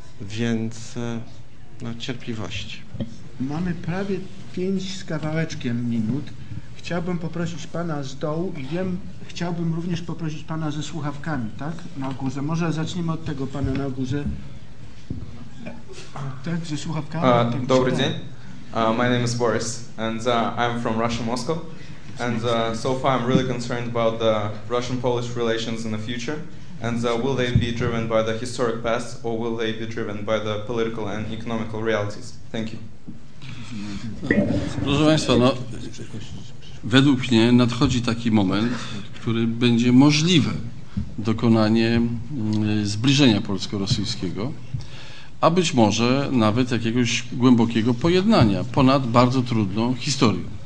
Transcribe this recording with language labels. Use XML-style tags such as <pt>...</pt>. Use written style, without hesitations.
<pl>Więc no, cierpliwości. Mamy prawie 5 z kawałeczkiem minut. Chciałbym poprosić pana z dołu i wiem, chciałbym również poprosić pana ze słuchawkami, tak? Na górze. Może zaczniemy od tego pana na górze. Tak, ze słuchawkami. Dobry dzień.</pl> <en>My name is Boris and I'm from Russia, Moscow. And so far I'm really concerned about the Russian-Polish relations in the future. And will they be driven by the historic past, or will they be driven by the political and economical realities? Thank you.</en> <pl>Proszę Państwa, no, według mnie nadchodzi taki moment, który będzie możliwe dokonanie zbliżenia polsko-rosyjskiego, a być może nawet jakiegoś głębokiego pojednania ponad bardzo trudną historią.</pl>